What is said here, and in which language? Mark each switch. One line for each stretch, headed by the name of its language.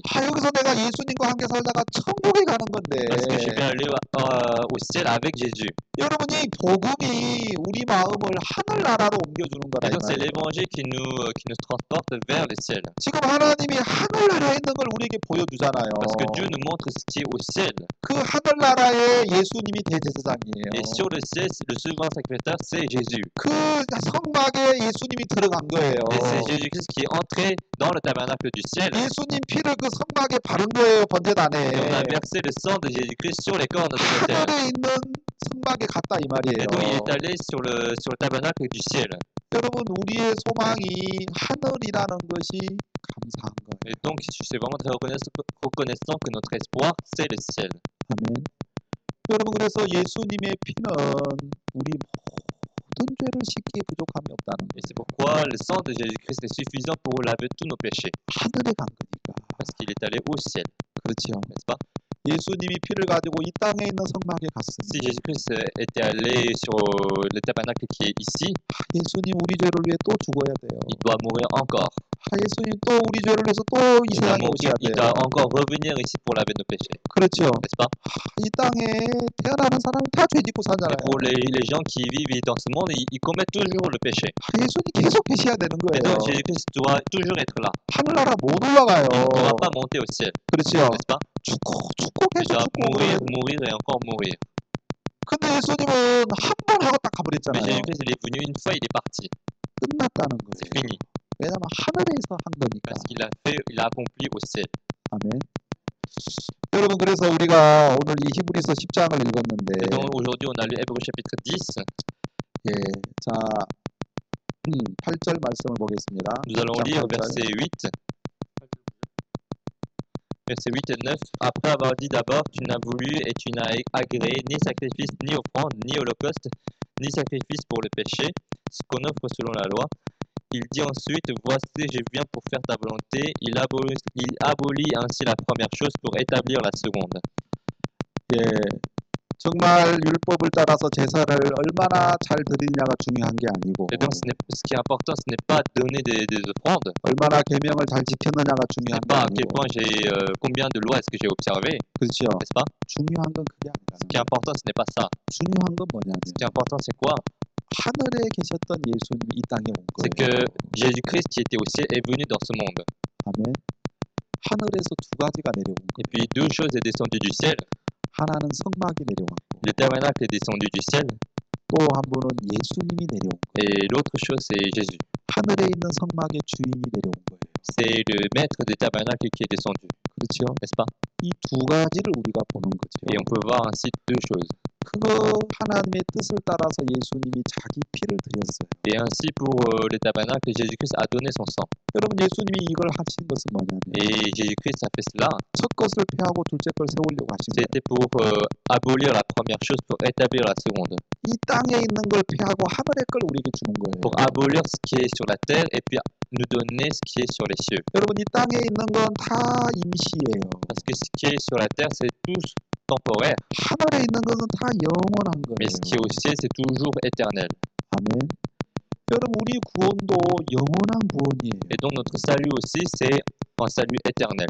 Korean: 여기서 내가 예수님과 함께 살다가 천국에 가는
French: Parce que je
Korean: 건데.
French: vais aller au ciel avec Jésus.
Korean: 여러분, 이 복음이 우리 마음을 하늘나라로 옮겨주는 거라
French: Et donc, c'est
Korean: 이 말이에요.
French: l'évangile qui nous transporte vers le ciel.
Korean: 지금 하나님이 하늘나라에 있는 걸 우리에게
French: Parce que
Korean: 보여주잖아요.
French: Dieu nous montre ce qui est au ciel.
Korean: 그 하늘나라의 예수님이 대제사장이에요.
French: Et sur le ciel, le souverain sacrificateur, c'est Jésus.
Korean: 그 성막에 예수님이 들어간
French: Et
Korean: 거예요.
French: c'est Jésus-Christ qui est entré dans le tabernacle du ciel.
Korean: 예수님 피를 그 성막에 바른 거예요,
French: Et on a
Korean: 번제단에.
French: versé le sang de Jésus-Christ sur les cornes de l'autel.
Korean: 하늘에 있는 성막에 갔다 이 말이에요.
French: Et donc il est allé sur le tabernacle du ciel.
Korean: 여러분, 우리의 소망이 하늘이라는 것이 감사한
French: Et donc c'est vraiment très reconnaissant que notre espoir, c'est le ciel.
Korean: 거예요. 아멘. 여러분, 그래서 예수님의 피는 우리 모든 죄를 씻기에 부족함이 없다는
French: Et c'est
Korean: 거예요.
French: pourquoi le sang de Jésus-Christ est suffisant pour laver tous nos péchés.
Korean: 하늘에 간 거니까.
French: parce qu'il est allé au ciel,
Korean: 그렇죠.
French: n'est-ce pas?
Korean: 예수님이 피를 가지고 이 땅에 있는 성막에 갔습니다.
French: Jésus-Christ était allé sur le tabernacle qui est ici,
Korean: 예수님, 우리 죄를 위해 또 죽어야
French: il
Korean: 돼요.
French: doit mourir encore.
Korean: 예수님, 또 우리 죄를 위해서 또이
French: Il doit mourir, il doit
Korean: 돼요.
French: encore revenir ici pour laver nos péchés,
Korean: 그렇죠.
French: n'est-ce pas?
Korean: 이 땅에 태어나는 사람이 다죄 짓고 살잖아요.
French: pour les gens qui vivent dans ce monde, ils commettent toujours le péché.
Korean: 예수님 계속 계셔야 되는
French: Et donc
Korean: 거예요.
French: Jésus-Christ doit toujours être là.
Korean: 하늘나라 못
French: Il ne pourra
Korean: 올라가요.
French: pas monter au ciel,
Korean: 그렇죠.
French: n'est-ce pas?
Korean: 죽고 죽고
French: Il
Korean: 계속
French: doit mourir,
Korean: 죽고.
French: mourir et encore mourir.
Korean: 근데 예수님은 한번 하고 딱 가버렸잖아요.
French: Jésus-Christ, il est venu une fois, il est parti.
Korean: 끝났다는
French: C'est fini.
Korean: 거예요. 왜냐면 하늘에서 한 거니까.
French: 'Parce qu'il a fait, il a accompli au ciel.
Korean: 아멘. 여러분, 그래서 우리가 오늘 이 히브리서 10장을
French: Et
Korean: 읽었는데,
French: donc aujourd'hui, on a lu Hébreux chapitre 10.
Korean: 예, 자, 8절 말씀을 보겠습니다.
French: Nous allons
Korean: 10장
French: lire
Korean: 8절.
French: verset 8. Versets 8 et 9. Après avoir dit d'abord, tu n'as voulu et tu n'as agréé ni sacrifice, ni offrande, ni holocauste, ni sacrifice pour le péché, ce qu'on offre selon la loi. Il dit ensuite, voici, je viens pour faire ta volonté. Il abolit ainsi la première chose pour établir la seconde.
Korean: 예, 정말 율법을 따라서 제사를 얼마나 잘 드리냐가 중요한 게
French: Et donc,
Korean: 아니고,
French: ce qui est important, ce n'est pas donner des offrandes.
Korean: 얼마나 계명을 잘 지켰느냐가
French: Ce n'est
Korean: 중요한 게
French: pas à quel
Korean: 아니고,
French: point combien de lois est-ce que j'ai observées,
Korean: 그렇죠?
French: n'est-ce pas?
Korean: 중요한 건 그게
French: Ce qui est
Korean: 아니라는
French: important, ce n'est pas ça.
Korean: 거예요. 중요한 건 뭐냐면,
French: Ce qui est important, c'est quoi?
Korean: 하늘에 계셨던 예수님이 이 땅에 온
French: C'est que
Korean: 거예요.
French: Jésus-Christ qui était au ciel est venu dans ce monde.
Korean: 아멘. 하늘에서 두 가지가 내려온
French: Et puis, deux choses sont descendues du ciel.
Korean: 하나는 성막이 내려왔고,
French: Le tabernacle est descendu du ciel.
Korean: 또한 분은 예수님이 내려온
French: Et l'autre chose, c'est Jésus.
Korean: 거예요. 하늘에 있는 성막의 주인이 내려온 거예요.
French: C'est le maître du tabernacle qui est descendu.
Korean: 그렇죠?
French: N'est-ce pas?
Korean: 이두 가지를 우리가 보는 거죠.
French: Et on peut voir ainsi deux choses.
Korean: 그거 하나님의 뜻을 따라서 예수님이 자기 피를 드렸어요.
French: Et ainsi pour l'état banal que Jésus-Christ a donné son sang.
Korean: 여러분, 예수님이 이걸 하신 것은 뭐냐면
French: Et Jésus-Christ a fait cela.
Korean: 첫 것을 폐하고 둘째 것을 세우려고 하신 거예요.
French: C'était pour abolir la première chose, pour établir la seconde.
Korean: 이 땅에 있는 걸 폐하고 하늘의 걸 우리에게 주는
French: Pour
Korean: 거예요.
French: abolir ce qui est sur la terre et puis nous donner ce qui est sur les cieux.
Korean: 여러분, 이 땅에 있는 건다 임시예요.
French: Parce que ce qui est sur la terre, c'est tout temporaire.
Korean: 하늘에 있는 것은 다 영원한
French: Mais ce qui est
Korean: 거예요.
French: au ciel, c'est toujours éternel.
Korean: 아멘. 여러분, 우리 구원도 영원한 구원이에요.
French: Et donc notre salut aussi, c'est un salut éternel.